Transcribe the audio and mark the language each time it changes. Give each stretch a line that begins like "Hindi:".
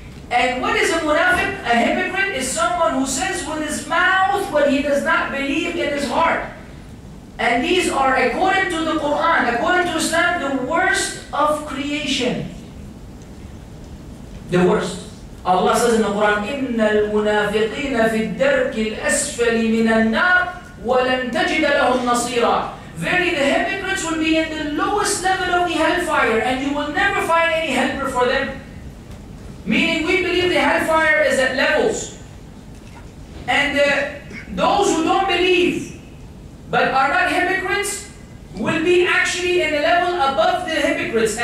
English: And what is a munafiq? A hypocrite is someone who says with his mouth what he does not believe in his heart. And these are, according to the Quran, according to Islam, the worst of creation. The worst. Allah says in the Quran,
Arabic: إِنَّ الْمُنَافِقِينَ فِي الدَّرْكِ الْأَسْفَلِ مِنَ النَّارِ وَلَمْ تَجِدَ لَهُمْ نَصِيرًا.
English: Verily, the hypocrites will be in the lowest level of the hellfire, and you will never find any helper for them. Meaning, we believe the hellfire is at levels. And those who don't believe, but are not hypocrites, will be actually in a level above the hypocrites.